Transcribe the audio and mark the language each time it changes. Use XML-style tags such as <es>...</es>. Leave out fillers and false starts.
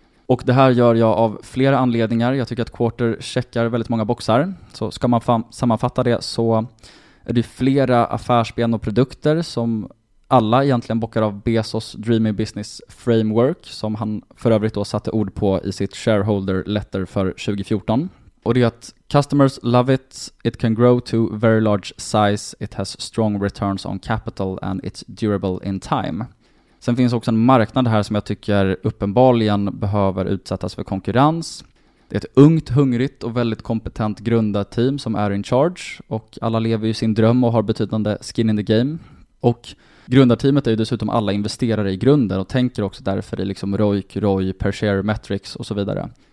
<sv>Och det här gör jag av flera anledningar. Jag tycker att Quarter checkar väldigt många boxar. Så ska man sammanfatta det, så är det flera affärsben och produkter som alla egentligen bockar av Bezos Dreamy Business Framework, som han för övrigt då satte ord på i sitt shareholder letter för 2014. Och det är att</sv> <en>customers love it, it can grow to very large size, it has strong returns on capital and it's durable in time.</en> <sv>Sen finns också en marknad här som jag tycker uppenbarligen behöver utsättas för konkurrens. Det är ett ungt, hungrigt och väldigt kompetent grundat team som är</sv> <en>in charge.</en> <sv>Och alla lever ju sin dröm och har betydande</sv> <en>skin in the game.</en> <sv>Och grundarteamet är ju dessutom alla investerare i grunden och tänker också därför i liksom ROIC, ROI, per share, metrics och så vidare.</sv>